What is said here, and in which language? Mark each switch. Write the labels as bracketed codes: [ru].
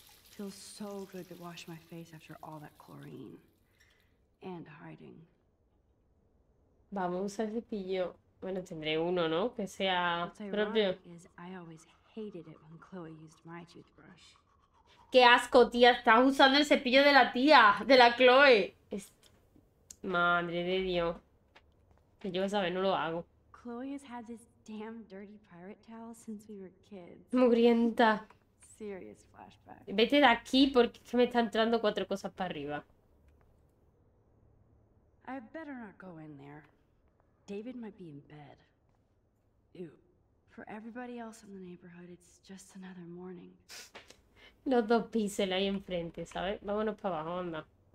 [en] Feels so good to wash my face after all that chlorine and hiding. [es] Vamos a cepillo. Bueno, tendré uno, ¿no? Que sea propio. [en] I always hated it when Chloe used my toothbrush. [es] Qué asco, tía, estás usando el cepillo de la tía, de la Chloe. Es... Madre de Dios. Que yo esa vez no lo hago. [en] Chloe has had this damn dirty pirate towel since we were kids. [es] Mugrienta. [en] Serious flashback. [es] Vete de aquí porque es que me está entrando cuatro cosas para arriba. [en] I better not go in there. David might be in bed. Ew. For everybody else in the neighborhood, it's just another morning. [es] Los dos píxeles ahí enfrente, ¿sabes? Vámonos para abajo, anda.